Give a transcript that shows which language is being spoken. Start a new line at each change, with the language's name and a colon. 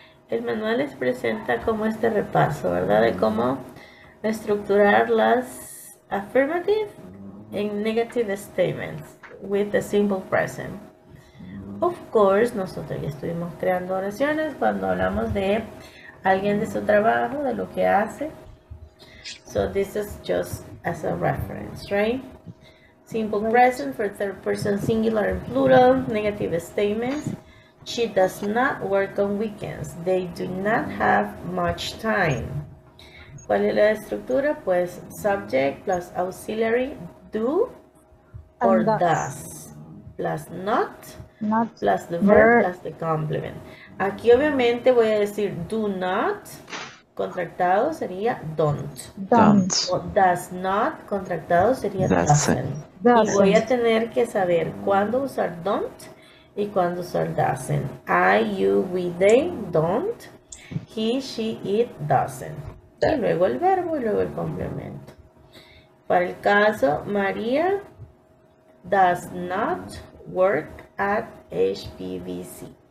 Spanish: El manual les presenta como este repaso, ¿verdad? De cómo estructurar las
English: affirmative and negative statements with the simple present. Of course,
Spanish: nosotros ya estuvimos creando oraciones cuando hablamos de alguien de su trabajo, de lo que hace.
English: So this is just as a reference, right? Simple present for third person singular and plural, negative statements. She does not work on weekends. They do not have much time.
Spanish: ¿Cuál es la estructura? Pues subject plus auxiliary,
English: do or does. Plus not plus the verb plus the complement.
Spanish: Aquí obviamente voy a decir do not, contractado sería don't.
English: Don't.
Spanish: O does not, contractado sería doesn't. Y voy a tener que saber cuándo usar don't y cuándo usar doesn't.
English: I, you, we, they, don't. He, she, it, doesn't.
Spanish: Y luego el verbo y luego el complemento. Para el caso,
English: María does not work at HPVC.